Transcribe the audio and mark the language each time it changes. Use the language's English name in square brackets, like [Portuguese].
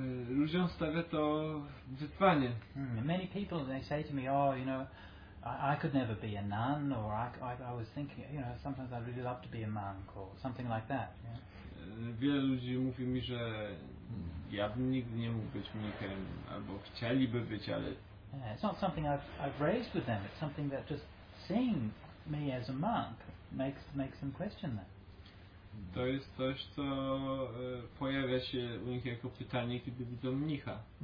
[Polish] Ludziom stawia to wyzwanie. [English] Many people, they say to me, oh, you know, I could never be a nun, or I was thinking, you know, sometimes I'd really love to be a monk, or something like that. Yeah? [Polish] Wiele ludzi mówi mi, że ja bym nigdy nie mógł być mnichem, albo chcieliby być, ale... [English] Yeah, it's not something I've raised with them, it's something that just seeing me as a monk makes them question that. [Polish] To jest coś, co pojawia się u nich jako pytanie, kiedy widzą mnicha.